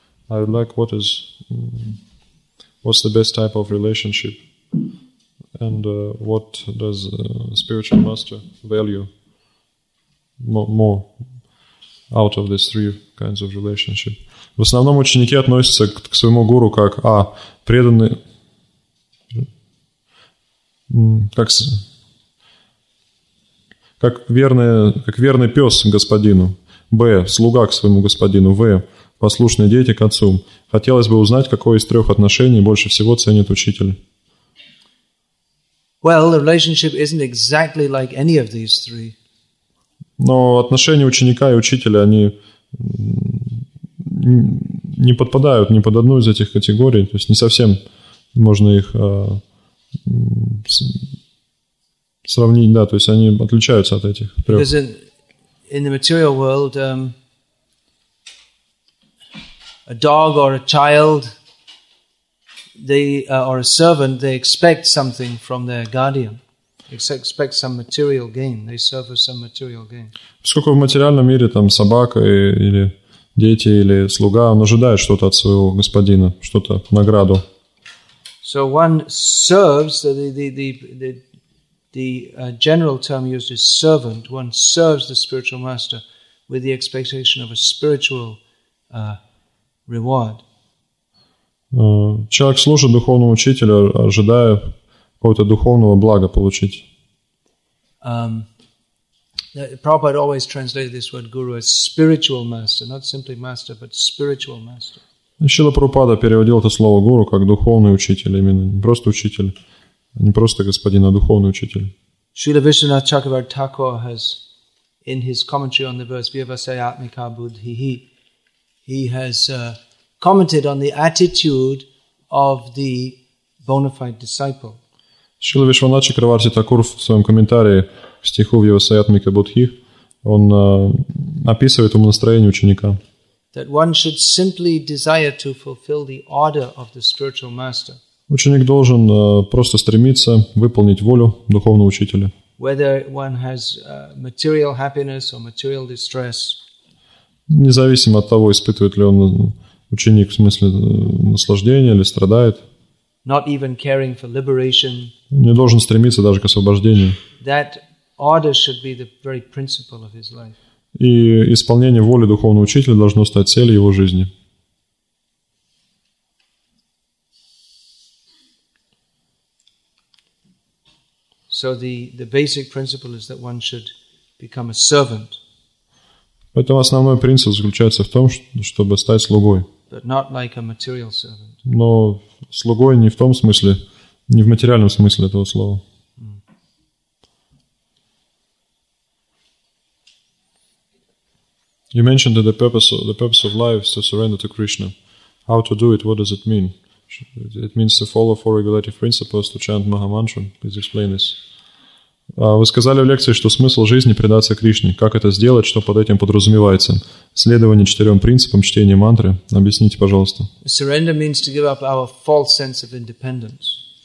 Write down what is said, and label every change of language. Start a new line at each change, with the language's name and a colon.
English: I would like what's the best type of relationship? And what does spiritual master value more out of these three kinds of relationship?
Russian: В основном ученики относятся к своему гуру как а преданный, как верный пес к господину, б слуга к своему господину, в послушные дети к отцу. Хотелось бы узнать, какое из трех отношений больше всего ценит учитель.
English: Well, the relationship isn't exactly like any of these three.
Russian: Но отношения ученика и учителя, они не подпадают ни под одну из этих категорий, то есть не совсем можно их сравнить, да, то есть они отличаются от этих трех.
English: Because in the material world, a dog or a child, or a servant, they expect something from their guardian. They expect some material gain. They serve for some material gain.
Russian: Сколько в материальном мире там собака или дети или слуга, он ожидает что-то от своего господина, что-то награду.
English: So one serves the general term used is servant. One serves the spiritual master with the expectation of a spiritual reward.
Russian: Человек служит духовному учителю, ожидая какого-то духовного блага получить.
English: Prabhupada always translated this word guru as spiritual master, not simply master, but spiritual master.
Russian: Шрила Прабхупада переводил это слово гуру как духовный учитель, именно не просто учитель, не просто господин, а духовный учитель.
English: Шрила Вишванатх Чакраварти Тхакур has, in his commentary on the verse "Vyavasaya Atmika Buddhihi," commented on the attitude of the bona fide disciple.
Russian: Шрила Вишванатх Чакраварти Тхакур в своем комментарии к стиху "Vyavasaya Atmika Buddhihi" он описывает ему настроение ученика.
English: That one should simply desire to fulfill the order of the spiritual master.
Russian: Ученик должен просто стремиться выполнить волю духовного учителя.
English: Whether one has material happiness or material distress.
Russian: Независимо от того, испытывает ли он ученик в смысле наслаждения или страдает.
English: Not even caring for liberation.
Russian: Не должен стремиться даже к освобождению.
English: That order should be the very principle of his life.
Russian: И исполнение воли духовного учителя должно стать целью его жизни.
English: So the basic principle is that one should become a servant.
Russian: Поэтому основной принцип заключается в том, чтобы стать слугой.
English: But not like a material servant.
Russian: Но слугой не в том смысле, не в материальном смысле этого слова.
English: You mentioned that the purpose of life is to surrender to Krishna. How to do it? What does it mean? It means to follow four regulative principles, to chant Mahamantra. Please explain this.
Russian: Вы сказали в лекции, что смысл жизни – предаться Кришне. Как это сделать? Что под этим подразумевается? Следование четырем принципам чтения мантры. Объясните, пожалуйста.
English: Surrender means to give up our false sense of independence.